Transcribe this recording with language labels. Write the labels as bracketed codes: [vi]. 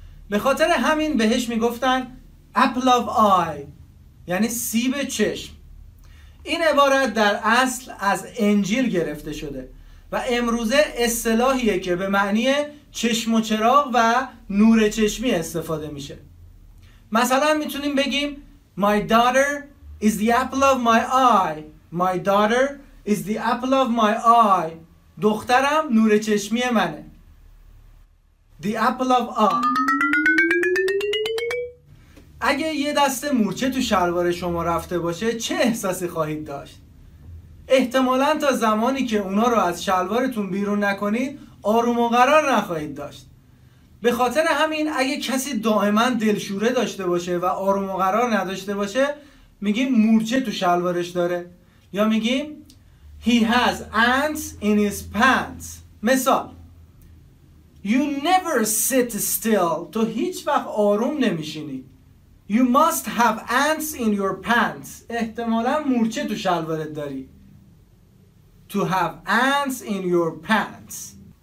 [fa] به خاطر همین بهش میگفتن apple of eye یعنی سیب چشم. این عبارت در اصل از انجیل گرفته شده و امروزه اصطلاحیه که به معنی چشم و چراغ و نور چشمی استفاده میشه. مثلا میتونیم بگیم [en] My daughter is the apple of my eye. My daughter is the apple of my eye. [fa] دخترم نور چشمی منه. [en] The apple of eye. [fa] اگه یه دسته مورچه تو شلوار شما رفته باشه چه احساسی خواهید داشت؟ احتمالاً تا زمانی که اونا رو از شلوارتون بیرون نکنید آروم و قرار نخواهید داشت. به خاطر همین اگه کسی دائما دلشوره داشته باشه و آروم و قرار نداشته باشه میگیم مورچه تو شلوارش داره، یا میگیم [en] He has ants in his pants. مثال: You never sit still. [fa] تو هیچ وقت آروم نمیشینی. [en] You must have ants in your pants. [fa] احتمالاً مورچه تو شلوارت داری. [en] To have ants in your pants.